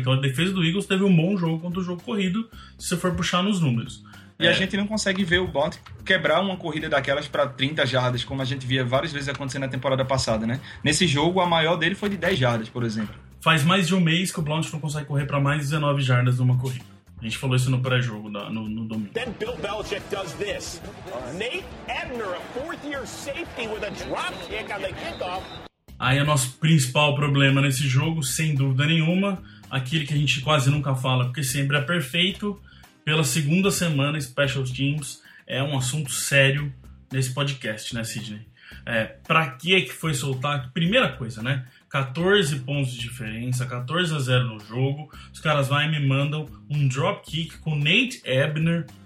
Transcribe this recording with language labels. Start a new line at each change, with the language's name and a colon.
Portuguese: Então, a defesa do Eagles teve um bom jogo contra o jogo corrido, se você for puxar nos números. E a gente não consegue ver o Blount quebrar uma corrida daquelas para 30 jardas, como a gente via várias vezes acontecendo na temporada passada, né? Nesse jogo, a maior dele foi de 10 jardas, por exemplo. Faz mais de um mês que o Blount não consegue correr para mais de 19 jardas numa corrida. A gente falou isso no pré-jogo, no domingo.
English: Then Bill Belichick does this. Nate Ebner, a fourth-year safety with a drop kick on the kickoff.
Portuguese: Aí é nosso principal problema nesse jogo, sem dúvida nenhuma, aquele que a gente quase nunca fala, porque sempre é perfeito, pela segunda semana, Special Teams é um assunto sério nesse podcast, né, Sidney? Pra que foi soltar? Primeira coisa, né? 14 pontos de diferença, 14-0 no jogo, os caras vão e me mandam um dropkick com Nate Ebner.